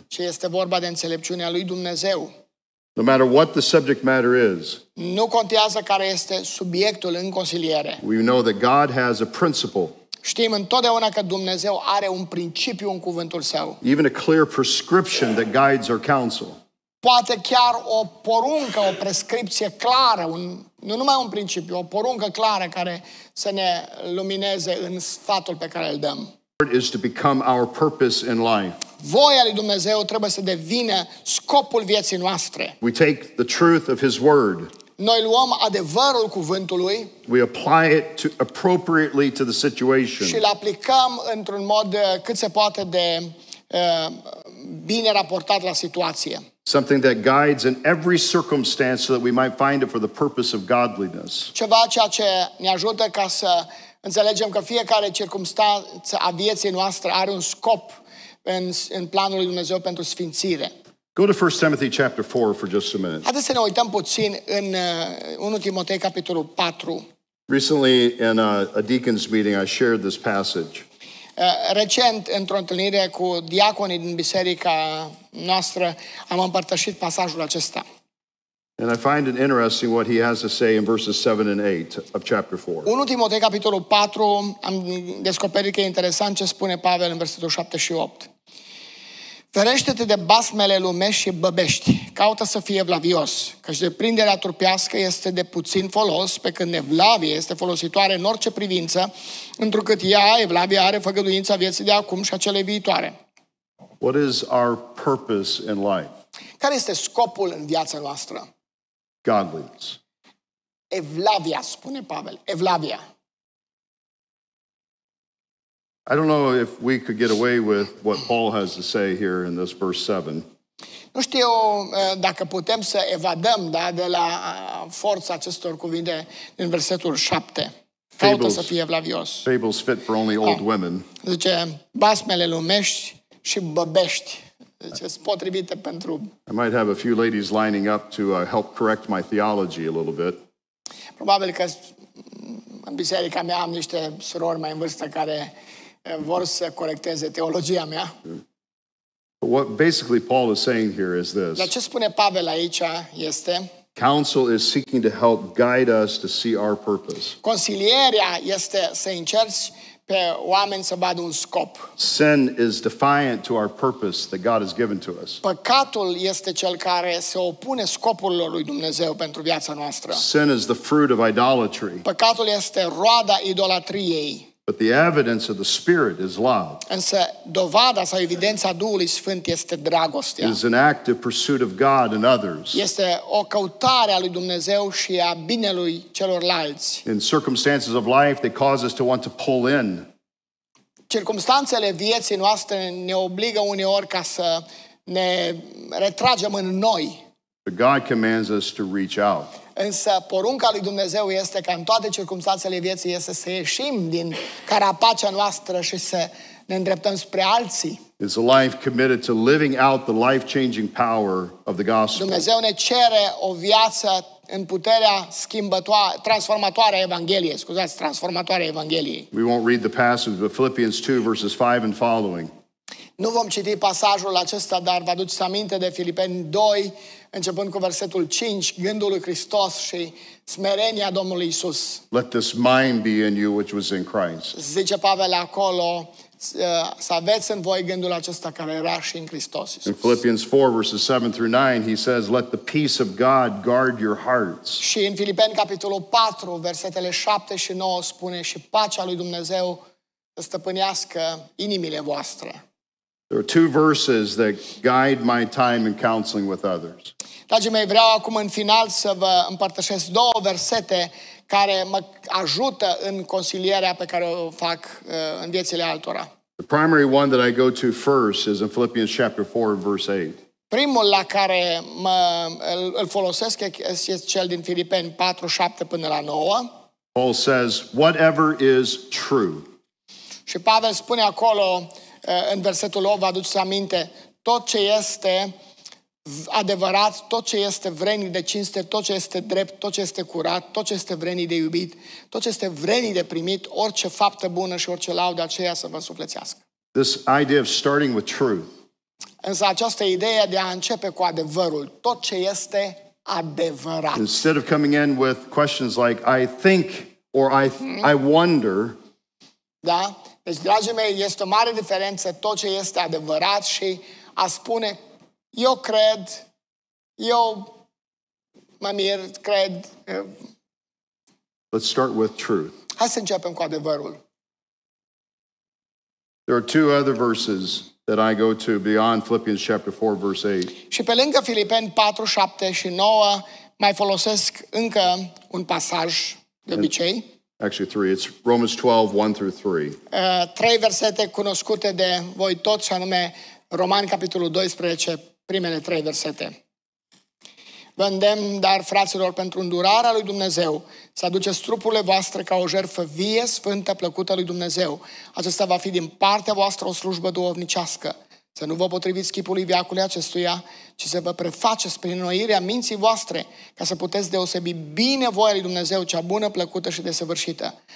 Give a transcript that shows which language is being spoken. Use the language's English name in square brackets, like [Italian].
[Romanian] Ci este vorba de înțelepciunea lui Dumnezeu. [English] No matter what the subject matter is. [Romanian] Nu contează care este subiectul în consiliere. [English] We know that God has a principle. [Romanian] Știm întotdeauna că Dumnezeu are un principiu în cuvântul Său. [English] Even a clear prescription that guides our counsel. [Romanian] Poate chiar o poruncă, o prescripție clară, nu numai un principiu, o poruncă clară care să ne lumineze în sfatul pe care îl dăm. [English] Is to become our purpose in life. [Romanian] Voia lui Dumnezeu trebuie să devină scopul vieții noastre. [English] We take the truth of His word. [Romanian] Noi luăm adevărul cuvântului. [English] We apply it to appropriately to the situation. [Romanian] Și îl aplicăm într-un mod cât se poate de bine raportat la situație. [English] Something that guides in every circumstance so that we might find it for the purpose of godliness. [Romanian] Ceva ceea ce ne ajută ca să înțelegem că fiecare circumstanță a vieții noastre are un scop în planul lui Dumnezeu pentru sfințire. [English] Go to 1 Timothy chapter 4 for just a minute. [Romanian] Haideți să ne uităm puțin în 1 Timotei capitolul 4. [English] Recently in a deacon's meeting I shared this passage. [Romanian] Recent, într-o întâlnire cu diaconii din biserica noastră, am împărtășit pasajul acesta. [English] And I find it interesting what he has to say in verses 7 and 8 of chapter 4. [Romanian] 1 Timotei capitolul 4, am descoperit că e interesant ce spune Pavel în versetul 7 și 8. Ferește-te de basmele lumești și băbești. Caută să fie evlavios, căci deprinderea trupească este de puțin folos, pe când evlavie este folositoare în orice privință, întrucât ea, evlavia, are făgăduința vieții de acum și a celei viitoare. [English] What is our purpose in life? [Romanian] Care este scopul în viața noastră? [English] Godliness. [Romanian] Evlavia, spune Pavel, evlavia. [English] I don't know if we could get away with what Paul has to say here in this verse 7. [Romanian] Nu știu dacă putem să evadăm, da, de la forța acestor cuvinte din versetul 7. Caută să fie evlavios. [English] Fables fit for only old women. [Romanian] Zice, basmele lumești și băbești. Zice, potrivite pentru... [English] I might have a few ladies lining up to help correct my theology a little bit. [Romanian] Probabil că în biserica mea am niște surori mai în vârstă care vor să corecteze teologia mea. [English] But what basically Paul is saying here is this. [Romanian] Dar ce spune Pavel aici este? [English] Counsel is seeking to help guide us to see our purpose. [Romanian] Consilierea este să încerci pe oameni să vadă un scop. [English] Sin is defiant to our purpose that God has given to us. [Romanian] Păcatul este cel care se opune scopurilor lui Dumnezeu pentru viața noastră. [English] Sin is the fruit of idolatry. [Romanian] Păcatul este roada idolatriei. [English] But the evidence of the Spirit is love. [Romanian] Însă dovada sau evidența Duhului Sfânt este dragostea. [English] It is an active pursuit of God and others. [Romanian] Este o căutare a lui Dumnezeu și a binelui celorlalți. [English] In circumstances of life, they cause us to want to pull in. [Romanian] Circumstanțele vieții noastre ne obligă uneori ca să ne retragem în noi. [English] But God commands us to reach out. [Romanian] Însă porunca lui Dumnezeu este ca în toate circumstanțele vieții este să ieșim din carapacea noastră și să ne îndreptăm spre alții. [English] It's a life committed to living out the life-changing power of the gospel. [Romanian] Dumnezeu ne cere o viață în puterea schimbătoare, transformatoare a Evangheliei. Scuzați, transformatoare a Evangheliei. [English] We won't read the passage, but Philippians 2, verses 5 and following. [Romanian] Nu vom citi pasajul acesta, dar vă aduceți aminte de Filipeni 2, începând cu versetul 5, gândul lui Hristos și smerenia Domnului Iisus. [English] Let this mind be in you which was in Christ. [Romanian] Zice Pavel acolo, să aveți în voi gândul acesta care era și în Hristos Iisus. [English] In Philippians 4, verses 7 through 9, he says, let the peace of God guard your hearts. [Romanian] Și în Filipeni capitolul 4, versetele 7 și 9, spune și pacea lui Dumnezeu să stăpânească inimile voastre. [English] There are two verses that guide my time in counseling with others. [Romanian] Dragii mei, vreau acum în final să vă împărtășesc două versete care mă ajută în consilierea pe care o fac în viețile altora. [English] The primary one that I go to first is in Philippians chapter 4 verse 8. [Romanian] Primul la care îl folosesc este cel din Filipeni 4, 7 până la 9. [English] Paul says, whatever is true. [Romanian] Și Pavel spune acolo, în versetul 8, vă aduceți aminte, tot ce este adevărat, tot ce este vrednic de cinste, tot ce este drept, tot ce este curat, tot ce este vrednic de iubit, tot ce este vrednic de primit, orice faptă bună și orice laudă, aceea să vă sufletească. [English] This idea of starting with truth. [Romanian] Însă această idee de a începe cu adevărul, tot ce este adevărat. [English] Instead of coming in with questions like I think or I wonder. [Romanian] Da? Deci, dragii mei, este o mare diferență tot ce este adevărat și a spune eu cred, eu mă mir, cred. [English] Let's start with truth. [Romanian] Hai să începem cu adevărul. [English] There are two other verses that I go to beyond Philippians chapter 4 verse 8. [Romanian] Și pe lângă Filipeni 4, 7 și 9 mai folosesc încă un pasaj de obicei. [English] Actually three, it's Romans 12, 1 through 3. [Romanian] Trei versete cunoscute de voi toți, anume Romani capitolul 12, primele trei versete. Vă îndemn, dar fraților, pentru îndurarea lui Dumnezeu, să aduceți trupurile voastre ca o jertfă vie, sfântă, plăcută lui Dumnezeu. Acesta va fi din partea voastră o slujbă duhovnicească. Să nu vă potriviți chipului veacului acestuia, ci să vă prefaceți prin înnoirea minții voastre, ca să puteți deosebi bine voia lui Dumnezeu, cea bună, plăcută și desăvârșită.